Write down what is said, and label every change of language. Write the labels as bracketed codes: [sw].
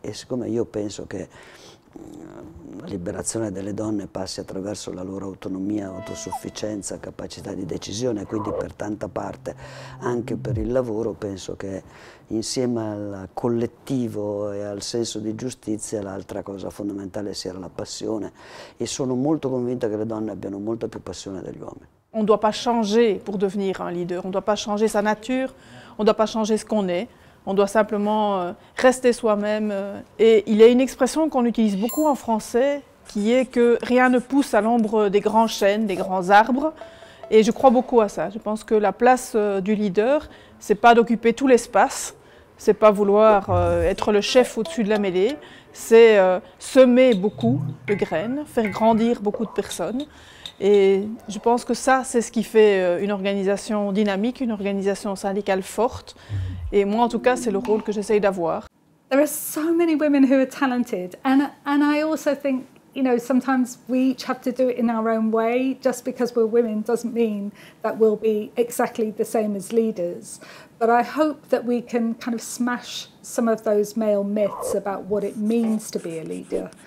[it] E siccome io penso che la liberazione delle donne passi attraverso la loro autonomia, autosufficienza, capacità di decisione, quindi per tanta parte anche per il lavoro, penso che insieme al collettivo e al senso di giustizia l'altra cosa fondamentale sia la passione, e sono molto convinta che le donne abbiano molta più passione degli uomini. [fr] On ne doit pas changer pour devenir un leader, on ne doit pas changer sa nature, on ne doit pas changer ce qu'on est. On doit simplement rester soi-même. Et il y a une expression qu'on utilise beaucoup en français qui est que rien ne pousse à l'ombre des grands chênes, des grands arbres. Et je crois beaucoup à ça. Je pense que la place du leader, c'est pas d'occuper tout l'espace, c'est pas vouloir être le chef au-dessus de la mêlée, c'est semer beaucoup de graines, faire grandir beaucoup de personnes. Et je pense que ça, c'est ce qui fait une organisation dynamique, une organisation syndicale forte. Et moi, en tout cas, c'est le rôle que j'essaye d'avoir. [en] There are so many women who are talented, and I also think, you know, sometimes we each have to do it in our own way. Just because we're women doesn't mean that we'll be exactly the same as leaders. But I hope that we can kind of smash some of those male myths about what it means to be a leader.